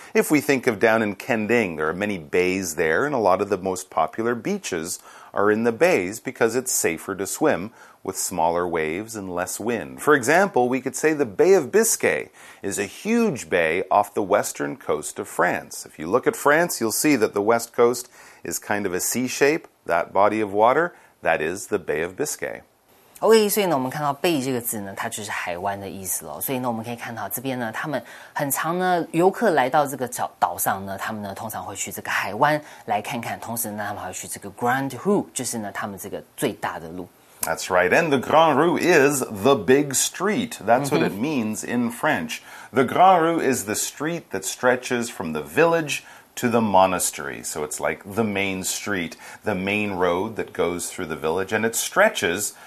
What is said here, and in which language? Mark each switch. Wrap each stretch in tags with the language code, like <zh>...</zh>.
<en>If we think of down in Kendeng, there are many bays there, and a lot of the most popular beaches are in the bays because it's safer to swim with smaller waves and less wind. For example, we could say the Bay of Biscay is a huge bay off the western coast of France. If you look at France, you'll see that the west coast is kind of a C shape. That body of water, that is the Bay of Biscay.</en> <zh>OK, 所以呢我们看到bay这个字呢它就是海湾的意思咯。所以呢我们可以看到这边呢他们很常呢游客来到这个岛上呢他们呢通常会去这个海湾来看看同时呢他们还会去这个 Grand Rue, 就是呢他们这个最大的路。</zh> <en>That's right, and the Grand Rue is the big street. That's what it means in French. The Grand Rue is the street that stretches from the village to the monastery. So it's like the main street, the main road that goes through the village, and it stretches...</en>